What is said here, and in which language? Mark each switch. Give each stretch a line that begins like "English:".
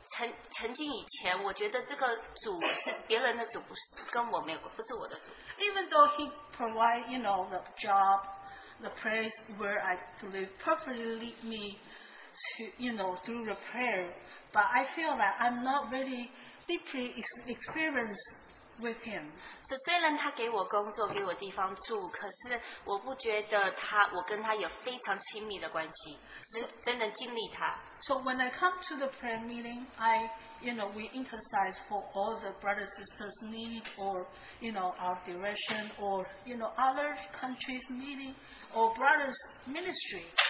Chinese: 因为曾经以前, 我觉得这个主是别人的主, 不是跟我没有,
English: Even though he provide, you know, the job, the place where I to live, perfectly lead me to, you know, through the prayer, but I feel that I'm not really deeply experienced with him.
Chinese: So, 虽然他给我工作，给我地方住，可是我不觉得他，我跟他有非常亲密的关系，真的经历他。
English: So, when I come to the prayer meeting, we intercede for all the brothers and sisters' need, or, you know, our direction, or, you know, other countries' meeting, or brothers' ministry.